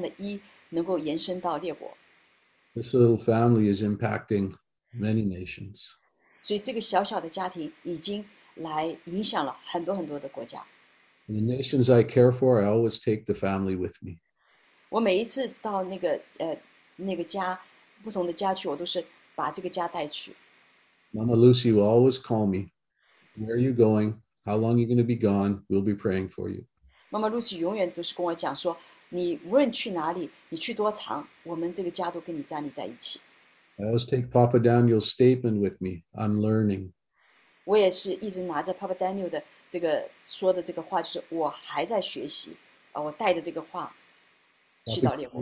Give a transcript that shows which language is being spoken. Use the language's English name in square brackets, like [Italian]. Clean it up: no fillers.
[Chinese] 那个荣耀让西安成为一，能够把，而且把这样的一能够延伸到列国。 [English] This little family is impacting many nations. [Chinese] 所以这个小小的家庭已经来影响了很多很多的国家。 [English] In the nations I care for, I always take the family with me. [Chinese] 我每一次到那个家，不同的家去，我都是把这个家带去。 [English] Mama Lucy will always call me. Where are you going? How long are you going to be gone? We'll be praying for you. [Chinese] Mama Lucy永远都是跟我讲说， 你无论去哪里，你去多长，我们这个家都跟你站立在一起。 [English] I always take Papa Daniel's statement with me. I'm learning. [Chinese] 我也是一直拿着Papa Daniel的这个说的这个话，就是我还在学习，我带着这个话去到列国。